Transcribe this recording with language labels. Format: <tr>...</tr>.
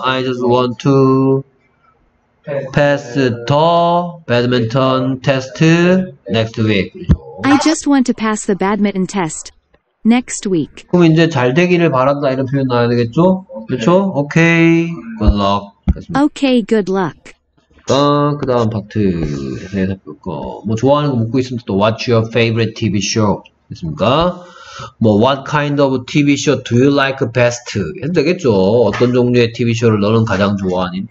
<en>I just want to pass the badminton test next week. I just want to pass the badminton test next week.</en> <ko>그럼 이제 잘 되기를 바란다 이런 표현 나와야 되겠죠? 그렇죠?</ko> <en>Okay, good luck. Okay, good luck.</en> <ko>그 다음 파트 해석 볼까? 뭐 좋아하는 거 묻고 있으면 또</ko> <en>What's your favorite TV show?</en> <ko>됐습니까?</ko> <en>뭐 What kind of TV show do you like best?</en> <ko>해도 되겠죠. 어떤 종류의 TV 쇼를 너는 가장 좋아하니?</ko>